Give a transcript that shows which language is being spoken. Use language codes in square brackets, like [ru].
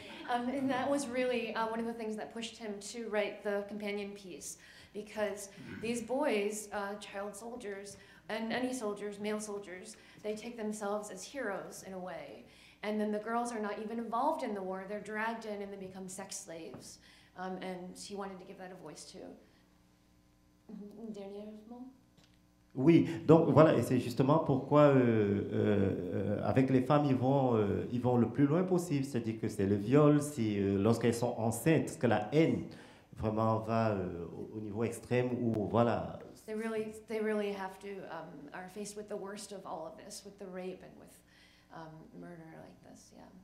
[en] and that was really one of the things that pushed him to write the companion piece, because these boys, child soldiers, and any soldiers, male soldiers, they take themselves as heroes in a way. And then the girls are not even involved in the war. They're dragged in and they become sex slaves. And he wanted to give that a voice too. [fr] Dernièrement? Oui, donc voilà, et c'est justement pourquoi avec les femmes, ils vont le plus loin possible. C'est-à-dire que c'est le viol, c'est lorsqu'elles sont enceintes, parce que la haine vraiment va au niveau extrême où, voilà, [en] They really have to are faced with the worst of all of this, with the rape and with murder like this. Yeah.